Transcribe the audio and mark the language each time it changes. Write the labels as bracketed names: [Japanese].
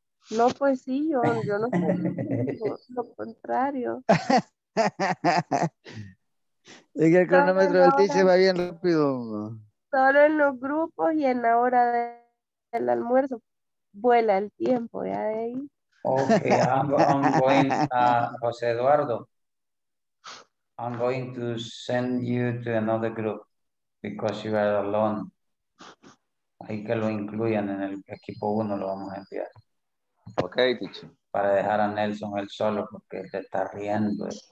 [Spanish] No, pues sí, yo no sé. Lo contrario. Es que el cronómetro del teacher va bien rápido. Solo en los grupos y en la hora del almuerzo vuela el tiempo, ya de ahí. [English] Okay, I'm going, José Eduardo. I'm going to send you to another group because you are alone. [Spanish] Ahí que lo incluyan en el equipo 1, lo vamos a enviar. [English] Ok, teacher. [Spanish] Para dejar a Nelson él solo porque él está riendo.